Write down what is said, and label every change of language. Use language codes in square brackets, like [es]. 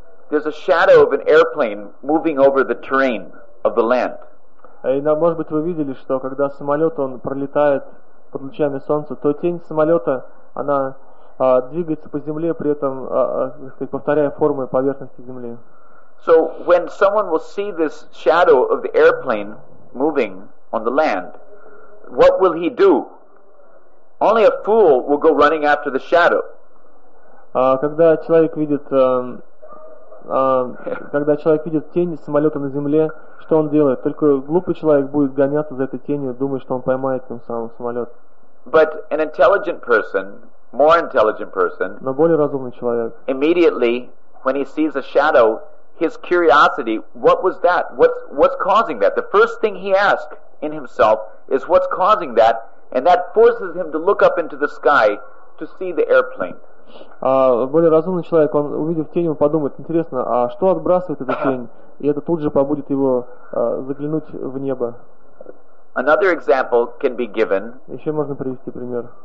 [en] There's a shadow of an airplane moving over the terrain of the land. [ru] И, может быть, вы видели, что когда самолет он пролетает под лучами солнца, то тень самолета она двигается по земле, при этом повторяя формы поверхности земли. [en] So when someone will see this shadow of the airplane moving on the land, what will he do? Only a fool will go running after the shadow. [ru] Когда человек видит когда человек видит тень самолета на земле, что он делает? Только глупый человек будет гоняться за этой тенью, думая, что он поймает тем самым самолет. [en] But an intelligent person, more intelligent person, [ru] но более разумный человек, [en] immediately when he sees a shadow, his curiosity, what was that? What's causing that? The first thing he asks in himself is what's causing that, and that forces him to look up into the sky to see the airplane. [ru] Более разумный человек, он увидев тень, он подумает, интересно, а что отбрасывает эта тень? И это тут же побудит его заглянуть в небо. [en] Another example can be given. [ru] Еще можно привести пример.